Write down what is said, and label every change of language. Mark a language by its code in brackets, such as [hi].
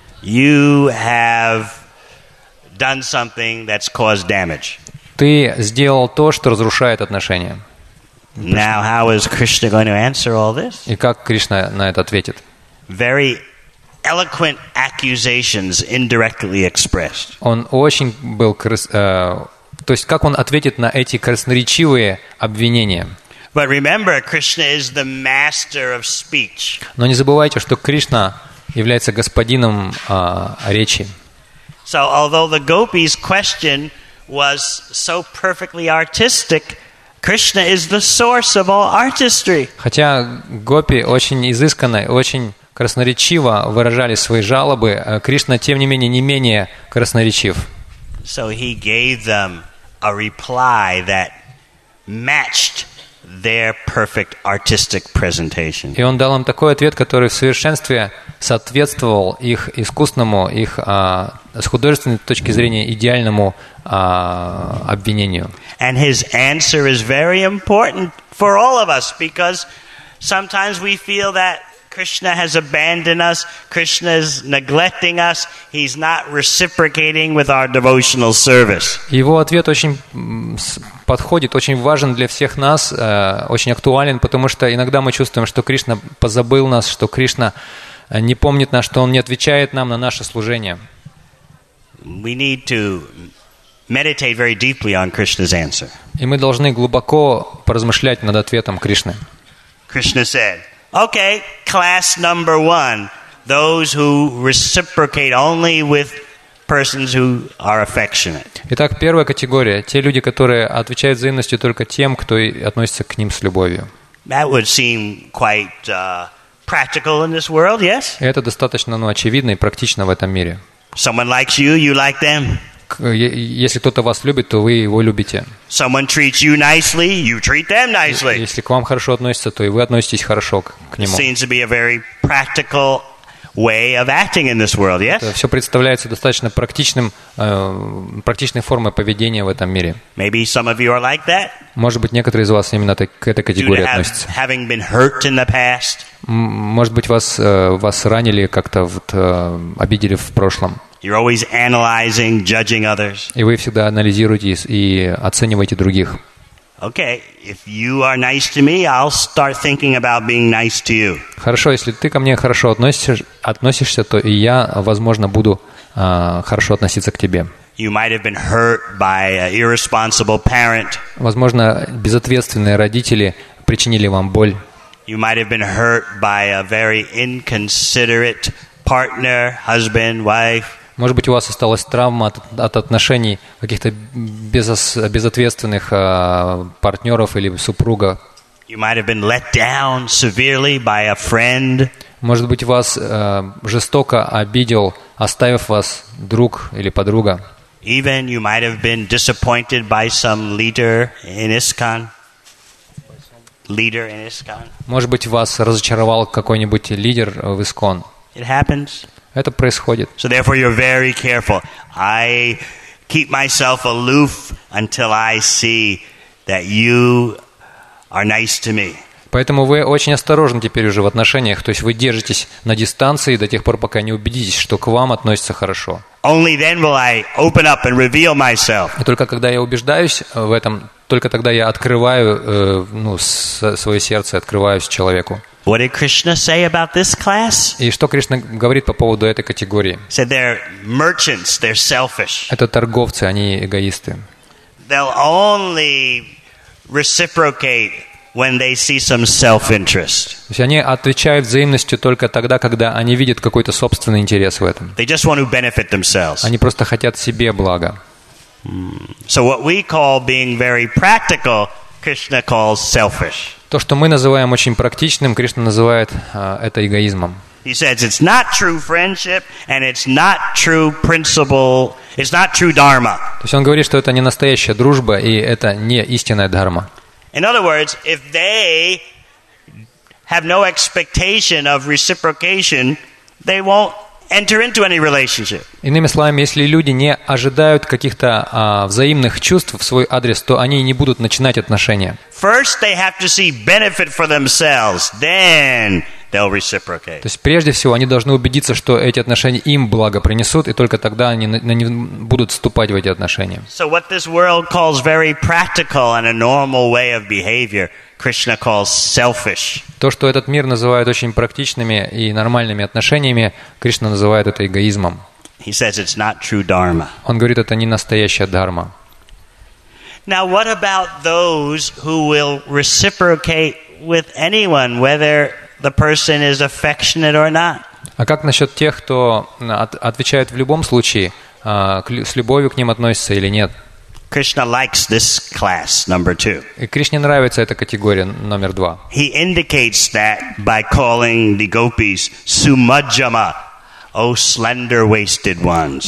[en] You have done something that's caused damage. [ru] Ты сделал то, что разрушает отношения. [en] Now, how is Krishna going to answer all this? [ru] И как Кришна на это ответит? [en] Very eloquent accusations indirectly expressed. [ru] Он очень был то есть как он ответит на эти красноречивые обвинения? [en] But remember, Krishna is the master of speech. [ru] Но не забывайте, что Кришна является господином речи. [en] So, although the gopi's question was so perfectly artistic, Krishna is the source of all artistry. [ru] Хотя гопи очень изысканно, очень красноречиво выражали свои жалобы, Кришна тем не менее не менее красноречив. [en] So he gave them a reply that matched their perfect artistic presentation. [ru] И он дал им такой ответ, который в совершенстве соответствовал их искусному, их с художественной точки зрения идеальному обвинению. [en] And his answer is very important for all of us because sometimes we feel that Krishna has abandoned us, Krishna is neglecting us, he's not reciprocating with our devotional service. [ru] Его ответ очень подходит, очень важен для всех нас, очень актуален, потому что иногда мы чувствуем, что Кришна позабыл нас, что Кришна не помнит нас, что он не отвечает нам на наше служение. [en] We need to meditate very deeply on Krishna's answer. [ru] И мы должны глубоко поразмышлять над ответом Кришны. [en] Krishna said, okay, class number one, those who reciprocate only with persons who are affectionate. [ru] Итак, первая категория – те люди, которые отвечают взаимностью только тем, кто относится к ним с любовью. [en] That would seem quite practical in this world, yes? [ru] Это достаточно, ну, очевидно и практично в этом мире. [en] Someone likes you, you like them. [ru] Если кто-то вас любит, то вы его любите. [en] Someone treats you nicely, you treat them nicely. [ru] Если к вам хорошо относятся, то и вы относитесь хорошо к нему. [en] Seems to be a very practical way of acting in this world, yes? [ru] Это все представляется достаточно практичной формой поведения в этом мире. [en] Maybe some of you are like that. [ru] Может быть, некоторые из вас именно к этой категории относятся. [en] Having been hurt in the past. [ru] Может быть, вас ранили как-то, вот, обидели в прошлом. [en] You're always analyzing, judging others. [ru] И вы всегда анализируете и оцениваете других. [en] Okay, if you are nice to me, I'll start thinking about being nice to you. [ru] Хорошо, если ты ко мне хорошо относишься, то и я, возможно, буду хорошо относиться к тебе. [en] You might have been hurt by an irresponsible parent. [ru] Возможно, безответственные родители причинили вам боль. [en] You might have been hurt by a very inconsiderate partner, husband, wife. [ru] Может быть, у вас осталась травма от отношений каких-то безответственных партнеров или супруга. [en] You might have been let down severely by a friend. [ru] Может быть, вас жестоко обидел, оставив вас друг или подруга. [en] Even you might have been disappointed by some leader in ISKCON. Leader in ISKCON. [ru] Может быть, вас разочаровал какой-нибудь лидер в ИСКОН. [en] It happens. [ru] Это происходит. [en] So therefore you're very careful. I keep myself aloof until I see that you are nice to me. [ru] Поэтому вы очень осторожны теперь уже в отношениях, то есть вы держитесь на дистанции до тех пор, пока не убедитесь, что к вам относятся хорошо. [en] Only then will I open up and reveal myself. [ru] И только когда я убеждаюсь в этом, только тогда я открываю свое сердце, открываюсь человеку. [en] What did Krishna say about this class? [ru] И что Кришна говорит по поводу этой категории? [en] Said they're merchants, they're selfish. [ru] Это торговцы, они эгоисты. [en] They'll only reciprocate when they see some self-interest. [ru] То есть они отвечают взаимностью только тогда, когда они видят какой-то собственный интерес в этом. [en] They just want to benefit themselves. [ru] Они просто хотят себе блага. [en] So what we call being very practical, Krishna calls selfish. [ru] То, что мы называем очень практичным, Кришна называет это эгоизмом. [en] He says it's not true friendship and it's not true principle, it's not true dharma. [ru] То есть он говорит, что это не настоящая дружба и это не истинная дхарма. [en] In other words, if they have no expectation of reciprocation, they won't enter into any relationship. [ru] Иными словами, если люди не ожидают каких-то взаимных чувств в свой адрес, то они не будут начинать отношения. [en] First they have to see benefit for themselves, then they'll reciprocate. [ru] То есть прежде всего они должны убедиться, что эти отношения им благо принесут, и только тогда они будут вступать в эти отношения. [en] So what this world calls very practical and a normal way of behavior, Krishna calls selfish. [ru] То, что этот мир называет очень практичными и нормальными отношениями, Кришна называет это эгоизмом. [en] He says it's not true dharma. [ru] Он говорит, это не настоящая дхарма. [en] Now what about those who will reciprocate with anyone, whether the person is affectionate or not? [ru] А как насчет тех, кто отвечает в любом случае, с любовью к ним относится или нет? [en] Krishna likes this class number two. [ru] И Кришне нравится эта категория номер два. [en] He indicates that by calling the gopis sumajjama, O slender-waisted ones.